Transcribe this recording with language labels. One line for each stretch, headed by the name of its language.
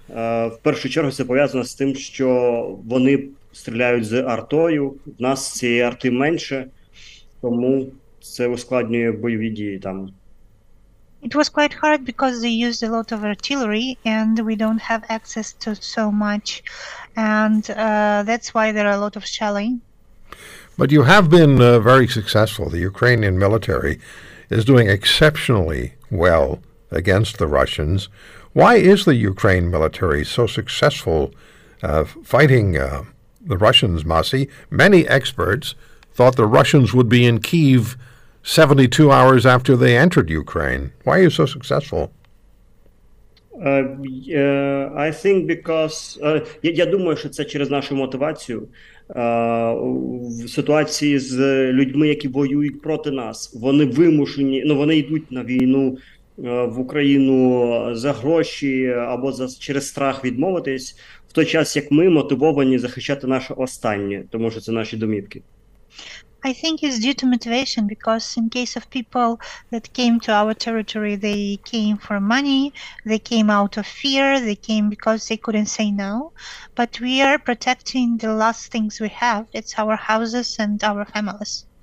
Ukrainian: В першу чергу це пов'язано з тим, що вони стріляють з артою, в нас цієї арти менше, тому це ускладнює бойові дії там.
English: It was quite hard because they used a lot of artillery and we don't have access to so much. And that's why there are a lot of shelling. But you have been very successful. The Ukrainian military is doing exceptionally well against the Russians. Why is the Ukraine military so successful fighting the Russians, Masi? Many experts thought the Russians would be in Kyiv 72 hours after they entered Ukraine. Why are you so successful? I think because
Ukrainian: я думаю, що це через нашу мотивацію. В ситуації з людьми, які воюють проти нас, вони вимушені, ну, вони йдуть на війну в Україну за гроші або через страх відмовитись, в той час як ми мотивовані захищати наше останнє, тому що це наші домівки.
English: I think it's due to motivation, because in case of people that came to our territory, they came for money, they came out of fear, they came because they couldn't say no. But we are protecting the last things we have. It's our houses and our families.